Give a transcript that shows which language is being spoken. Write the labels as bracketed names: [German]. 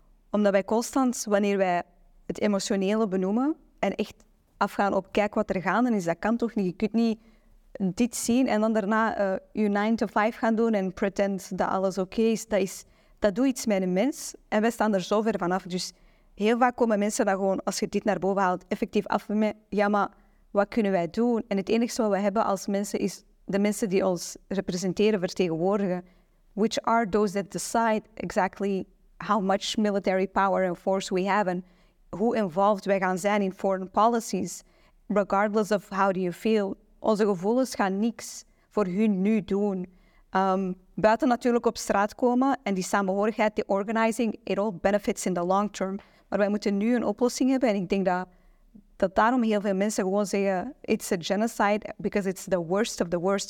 [Dutch] Omdat wij constant, wanneer wij het emotionele benoemen en echt afgaan op kijk wat er gaande is, dat kan toch niet. Je kunt niet dit zien en dan daarna je 9-to-5 gaan doen en pretend dat alles oké is. Dat is dat doet iets met een mens en wij staan er zo ver vanaf. Dus heel vaak komen mensen dan gewoon, als je dit naar boven haalt, effectief af met, ja, maar wat kunnen wij doen? En het enige wat we hebben als mensen is de mensen die ons representeren, vertegenwoordigen. [English] Which are those that decide exactly how much military power and force we have and who involved [Dutch] wij gaan zijn [English] in foreign policies, regardless of how do you feel. [Dutch] Onze gevoelens gaan niks voor hun nu doen. Buiten natuurlijk op straat komen en die samenhorigheid, die organizing, [English] it all benefits in the long term. [Dutch] Maar wij moeten nu een oplossing hebben en ik denk dat daarom heel veel mensen gewoon zeggen [English] it's a genocide because it's the worst [Dutch] of the worst.